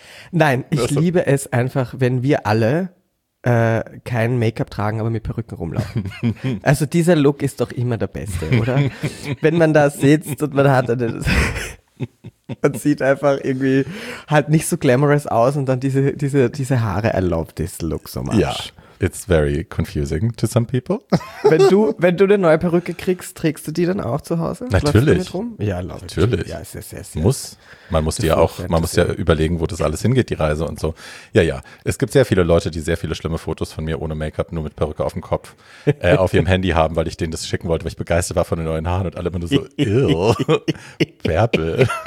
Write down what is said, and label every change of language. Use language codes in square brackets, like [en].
[de] Nein, ich liebe es einfach, wenn wir alle kein Make-up tragen, aber mit Perücken rumlaufen. Also dieser Look ist doch immer der beste, oder? Wenn man da sitzt und man hat eine... Man sieht einfach irgendwie halt nicht so glamorous aus und dann diese Haare, [en] I love this look so much. Ja, it's very confusing to some people. [de] Wenn du eine neue Perücke kriegst, trägst du die dann auch zu Hause? Natürlich. Rum? Ja, [en] love [de] natürlich. [en] It. Ja, yes, yes, yes. [de] Muss. Man muss die ja auch, man muss ja überlegen, wo das alles hingeht, die Reise und so. Ja, ja. Es gibt sehr viele Leute, die sehr viele schlimme Fotos von mir ohne Make-up, nur mit Perücke auf dem Kopf, auf ihrem Handy haben, weil ich denen das schicken wollte, weil ich begeistert war von den neuen Haaren und alle immer nur so, ew, Bärbel.